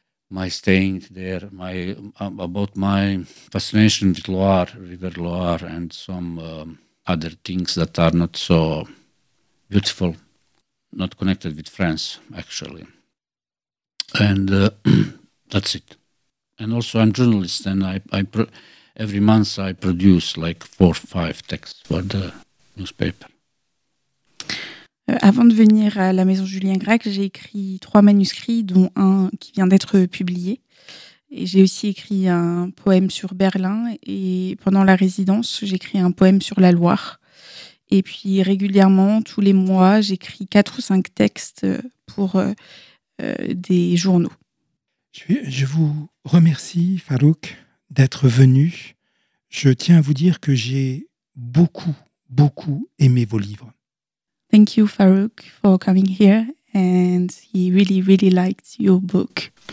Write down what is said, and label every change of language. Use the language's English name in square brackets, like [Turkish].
[English] My staying there, about my fascination with Loire, River Loire, and some other things that are not so beautiful, not connected with France, actually. And that's it. And also, I'm a journalist, and every month I produce like 4 or 5 texts for the newspaper. [French] Avant de venir à la Maison Julien Gracq, j'ai écrit 3 manuscrits, dont un qui vient d'être publié. Et j'ai aussi écrit un poème sur Berlin. Et pendant la résidence, j'écris un poème sur la Loire. Et puis régulièrement, tous les mois, j'écris 4 ou 5 textes pour des journaux. Je vous remercie, Farouk, d'être venu. Je tiens à vous dire que j'ai beaucoup, beaucoup aimé vos livres. [English] Thank you, Farouk, for coming here, and he really, really liked your book.